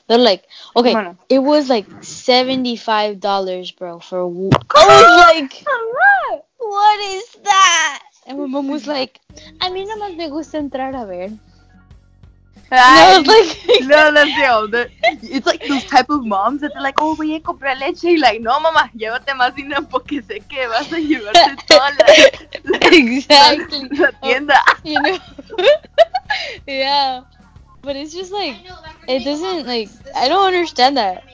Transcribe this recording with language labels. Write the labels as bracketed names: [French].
[English] they're like, okay, kimono. It was like $75, bro, for a week. I was like, what is that? And my mom was like, [Spanish] a mí no más me gusta entrar a ver. [English] No, it's like, no, let's go. It's like those type of moms that they're like, oh, [Spanish] voy a comprar leche. Y like, no, mamá, llévate más dinero porque sé que vas a llevarte toda la, la, [English] exactly, [Spanish] la tienda. [English] You know? Yeah, but it's just like, it doesn't, like, I don't understand that.